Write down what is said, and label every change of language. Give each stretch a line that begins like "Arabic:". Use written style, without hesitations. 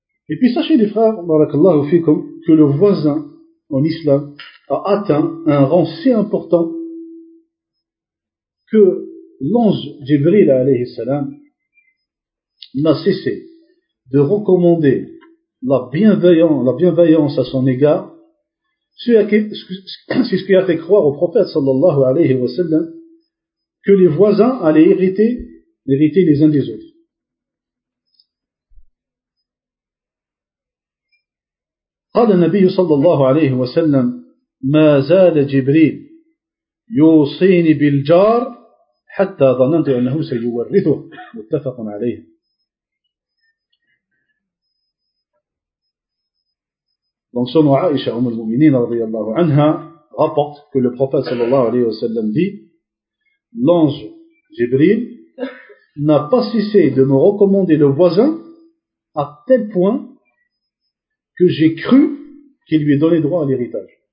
French: Et puis sachez les frères, barakallahu fikum, que le voisin en islam a atteint un rang si important que l'ange Jibril alayhi salam n'a cessé de recommander la bienveillance à son égard, c'est ce qui a fait croire au prophète sallallahu alayhi wa sallam que les voisins allaient hériter les uns des autres.
Arabic: قال النبي صلى الله عليه وسلم ما زال جبريل يوصيني بالجار حتى ظننت انه سيورثه متفق عليه.
French: Donc selon Aïcha, Umm al-Mu'minin radiyallahu anha, rapporte que le prophète sallallahu alayhi wa sallam dit: l'ange Jibril n'a pas cessé de me recommander le voisin à tel point que j'ai cru qu'il lui ait donné droit à l'héritage.